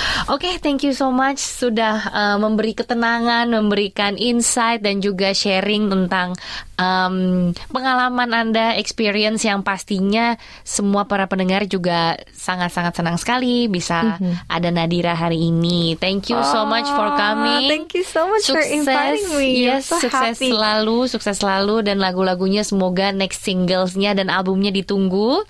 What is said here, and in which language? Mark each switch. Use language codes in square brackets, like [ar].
[id] Oke, [en] okay, thank you so much [id] sudah memberi ketenangan, memberikan insight dan juga sharing tentang pengalaman Anda, experience yang pastinya semua para pendengar juga sangat-sangat senang sekali bisa ada Nadira hari ini. [en] Thank you so much for coming. Thank you so much for inviting me. Yes, so [id] sukses [en] happy. [id] Selalu, sukses selalu, dan lagu-lagunya semoga next singles-nya dan albumnya ditunggu.